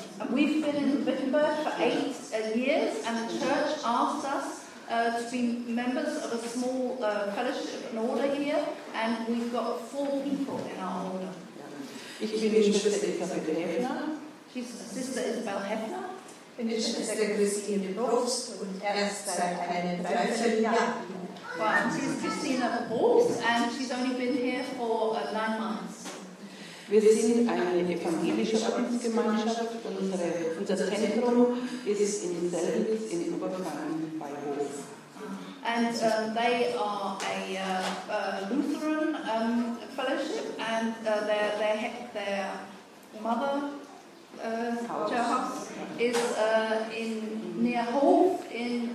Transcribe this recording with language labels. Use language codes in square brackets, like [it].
[en] We've been in Wittenberg for 8 years, and the church asked us to be members of a small fellowship, an order here, and we've got 4 people in our order. [de] Ich bin Schwester Isabel Heffner. [en] She's Sister Isabel Heffner. [de] Ich bin Schwester Christine Probst und erst seit einem dreiviertel Jahr. [en] She's Christine Probst, and she's only been here for 9 months. [de] Wir sind eine evangelische Ordensgemeinschaft. Unser Zentrum ist in Selbitz in Oberfranken bei Hof. [en] And they are a Lutheran fellowship, and their mother church is in near Hof in